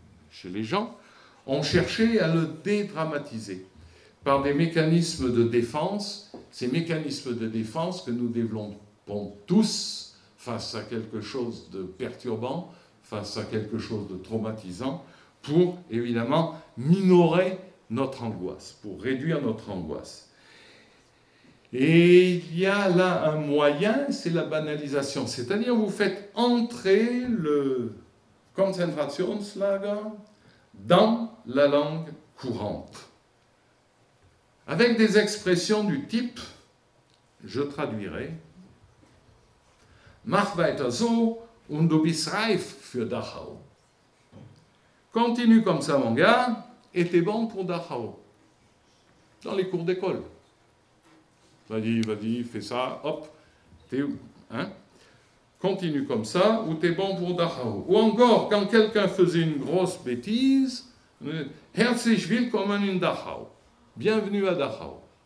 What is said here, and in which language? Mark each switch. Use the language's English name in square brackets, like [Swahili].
[French] chez les gens, on cherchait à le dédramatiser par des mécanismes de défense, ces mécanismes de défense que nous développons tous face à quelque chose de perturbant, face à quelque chose de traumatisant, pour évidemment minorer notre angoisse, pour réduire notre angoisse. Et il y a là un moyen, c'est la banalisation. C'est-à-dire, vous faites entrer le Konzentrationslager dans la langue courante. Avec des expressions du type, je traduirai, [German] Mach weiter so und du bist reif für Dachau. [French] Continue comme ça, mon gars, et t'es bon pour Dachau, dans les cours d'école. Vas-y, fais ça, hop, t'es où, hein? Continue comme ça, ou t'es bon pour Dachau. Ou encore, quand quelqu'un faisait une grosse bêtise, [German] herzlich willkommen in Dachau, [French] bienvenue à Dachau.